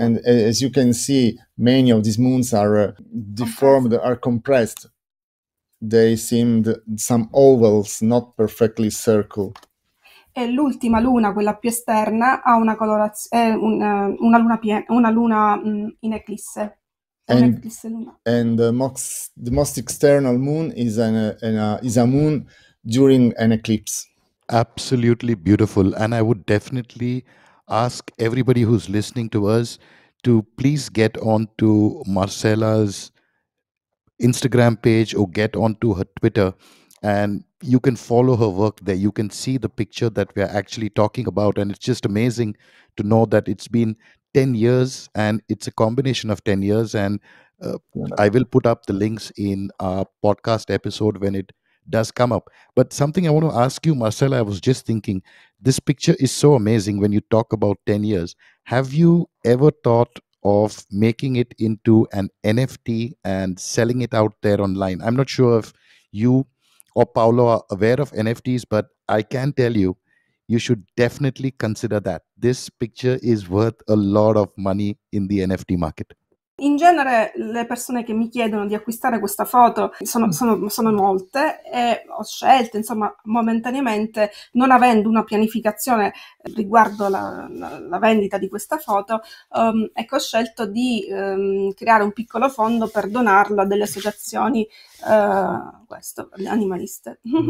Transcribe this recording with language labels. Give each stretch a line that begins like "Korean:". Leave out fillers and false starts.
English: And as you can see, many of these moons are deformed, are compressed. They seemed some ovals, not perfectly circle.
Italian: E l'ultima luna, quella più esterna, ha una colorazione, una luna in eclisse.
English: And the most external moon is a moon during an eclipse. Absolutely beautiful. And I would definitely ask everybody who's listening to us to please get onto Marcella's Instagram page or get onto her Twitter, and you can follow her work there. You can see the picture that we are actually talking about, and it's just amazing to know that it's been 10 years, and it's a combination of 10 years, and I will put up the links in our podcast episode when it does come up. But something I want to ask you, Marcella, I was just thinking, this picture is so amazing when you talk about 10 years. Have you ever thought of making it into an NFT and selling it out there online? I'm not sure if you or Paolo are aware of NFTs, but I can tell you, you should definitely consider that. This picture is worth a lot of money in the NFT market.
Italian: In genere le persone che mi chiedono di acquistare questa foto sono molte e ho scelto, insomma, momentaneamente, non avendo una pianificazione riguardo la vendita di questa foto, ecco, ho scelto di creare un piccolo fondo per donarlo a delle associazioni animaliste.